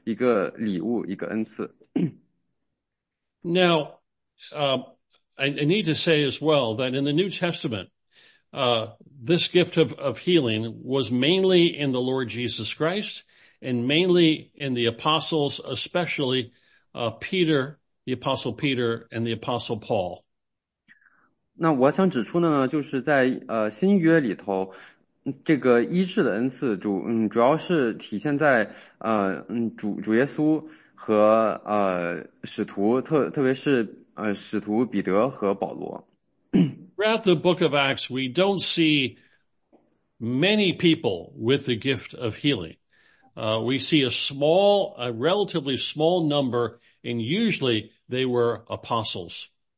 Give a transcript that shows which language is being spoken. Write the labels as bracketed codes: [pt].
[zh] 我会之后再去讲述这个，我说很广泛的范围是什么，然后那么还有提到就是说，有的时候或者说每一次的这个医治，它有的时候甚至可以不，它有的时候可以被认为是一个就是一个礼物一个恩赐。 [en] Now, I need to say as well that in the New Testament, this gift of healing was mainly in the Lord Jesus Christ and mainly in the apostles, especially Peter, the Apostle Peter and the Apostle Paul. [zh] 那我想指出的呢，就是在新约里头，这个医治的恩赐主，主要是体现在主耶稣和使徒，特别是使徒彼得和保罗。 [en] Throughout the book of Acts, we don't see many people with the gift of healing. We see a relatively small number, and usually they were apostles.